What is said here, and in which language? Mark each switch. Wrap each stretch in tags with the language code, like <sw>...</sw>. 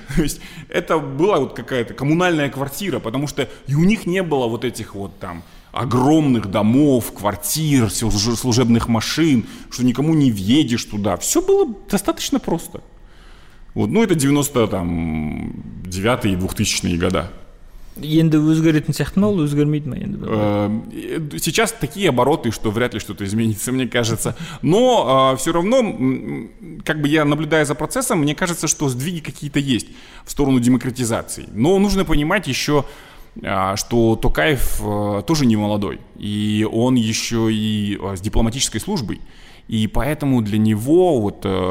<ru>То есть это была вот какая-то коммунальная квартира, потому что и у них не было вот этих вот там огромных домов, квартир, служебных машин, что никому не въедешь туда. Все было достаточно просто. Вот, ну, это 99-е и 2000-е годы.</ru> <kk>Енді өзгеретін сияқты ма, өзгермейді ма енді?</kk> <ru>Сейчас такие обороты, что вряд ли что-то изменится, мне кажется. Но все равно, я наблюдаю за процессом, мне кажется, что сдвиги какие-то есть в сторону демократизации. Но нужно понимать еще, что Токаев тоже не молодой, и он еще и с дипломатической службой, и поэтому для него вот</ru>